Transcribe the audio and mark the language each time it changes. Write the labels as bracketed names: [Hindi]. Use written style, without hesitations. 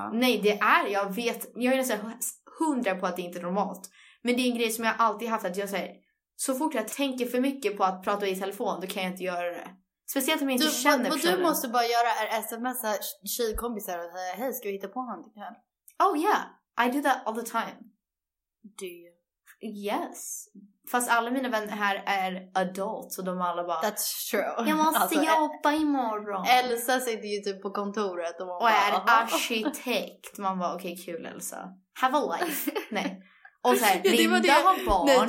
[Swedish] nej, det är, jag är nästan 100 på att det inte är normalt. Men det är en grej som jag alltid haft, att jag säger, så fort jag tänker för mycket på att prata i telefon, då kan jag inte göra det. Speciellt om jag inte känner personen. Vad du måste bara göra är smsa tjejkompisar och säga, hej, ska vi hitta på någonting här? [English] Oh yeah, I do that all the time. Do you? Yes. [Swedish] Fast alla mina vänner här är adults och de alla bara, [English] that's true. [Swedish] Jag måste alltså, jobba imorgon. Elsa sitter ju typ på kontoret och, och är arkitekt. Man bara, okej, okay, kul Elsa. [English] Have a life. [Swedish] Nej. Och så här, ja, Linda det. Har barn.